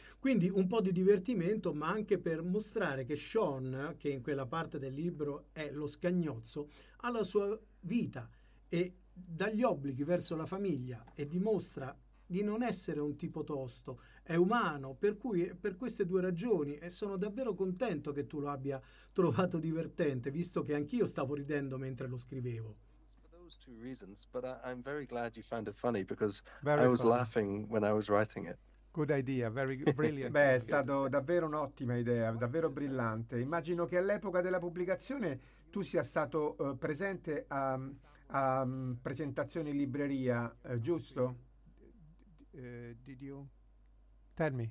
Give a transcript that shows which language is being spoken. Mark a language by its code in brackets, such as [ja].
[it] Quindi un po' di divertimento, ma anche per mostrare che Sean, che in quella parte del libro è lo scagnozzo, ha la sua vita e dagli obblighi verso la famiglia, e dimostra di non essere un tipo tosto, è umano, per cui per queste due ragioni, e sono davvero contento che tu lo abbia trovato divertente, visto che anch'io stavo ridendo mentre lo scrivevo. [en] Two reasons, but I'm very glad you found it funny because very I was funny. Laughing when I was writing it. Good idea, very brilliant. [it] Beh, è stato davvero un'ottima idea, davvero brillante. Immagino che all'epoca della pubblicazione tu sia stato presente a presentazioni in libreria, giusto? [en] Did you tell me?